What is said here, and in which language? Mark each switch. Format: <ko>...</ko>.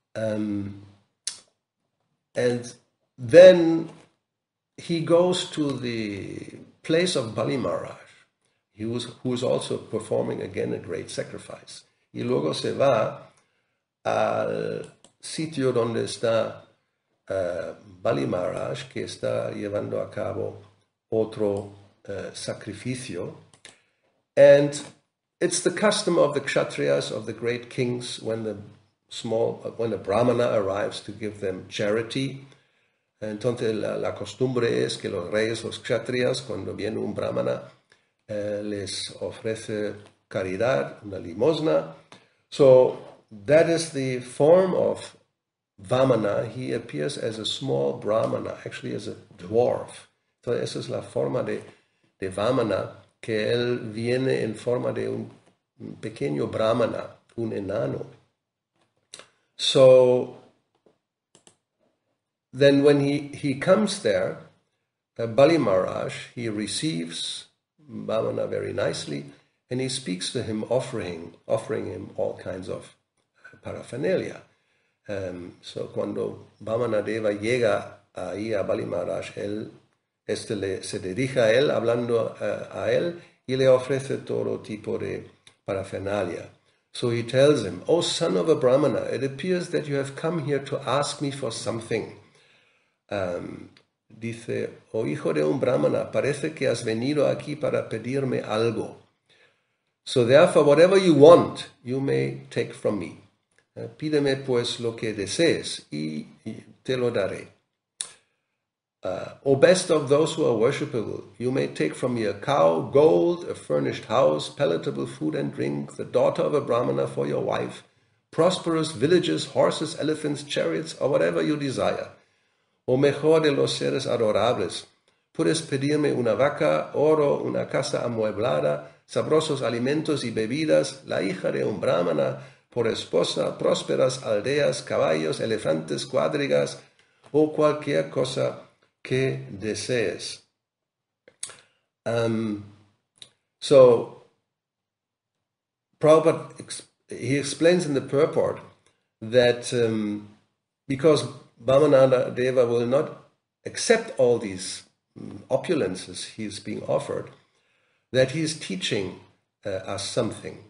<en>And then he goes to the place of Bali Maharaj. Who is also performing again a great sacrifice.</en> <es>Y luego se va al sitio donde está Bali Maharaj, que está llevando a cabo otro sacrificio.</es> <en>And it's the custom of the Kshatriyas, of the great kings, when a Brahmana arrives to give them charity.</en> <es>Entonces la costumbre es que los reyes, los Kshatriyas, cuando viene un Brahmana, les ofrece caridad, una limosna.</es> <en>So that is the form of Vamana. He appears as a small Brahmana, actually as a dwarf.</en> <es>So esa es la forma de Vamana, que él viene en forma de un pequeño Brahmana, un enano.</es> <en>So then when he comes there, Bali Maharaj, he receives Vamana very nicely, and he speaks to him, offering him all kinds of paraphernalia.</en> <es>So cuando Vamana Deva llega ahí a Bali Maharaj, se dirige a él, hablando a él, y le ofrece todo tipo de paraphernalia.</es> <en>So he tells him, "Oh, son of a Brahmana, it appears that you have come here to ask me for something."</en> <es>Dice, oh hijo de un Brahmana, parece que has venido aquí para pedirme algo.</es> <en>So therefore, whatever you want, you may take from me.</en> <es>Pídeme pues lo que desees y te lo daré.</es> <en>O best of those who are worshipable, you may take from your cow gold, a furnished house, palatable food and drink, the daughter of a brahmana for your wife, prosperous villages, horses, elephants, chariots, or whatever you desire.</en> <es>O mejor de los seres adorables, puedes pedirme una vaca, oro, una casa amueblada, sabrosos alimentos y bebidas, la hija de un brahmana por esposa, prósperas aldeas, caballos, elefantes, cuadrigas, o cualquier cosa que desees.</es> <en>So, Prabhupada, he explains in the purport that because Vamana Deva will not accept all these opulences he's being offered, that he is teaching us something.</en>